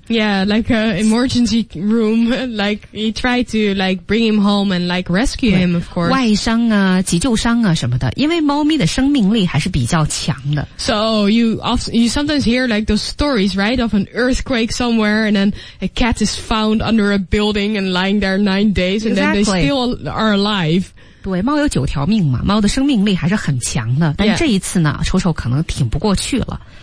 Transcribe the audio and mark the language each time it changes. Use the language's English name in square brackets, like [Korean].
[English] Yeah, like an emergency room, like he tried to like bring him home and like rescue him, of course. [Chinese] 外伤啊急救伤啊什么的，因为猫咪的生命力还是比较强的。 [English] So you sometimes hear like those stories, right, of an earthquake somewhere and then a cat is found under a building and lying there 9 days and、 exactly. then they still are alive. [Chinese] 对，猫有九条命嘛，猫的生命力还是很强的。但这一次呢，丑丑可能挺不过去了。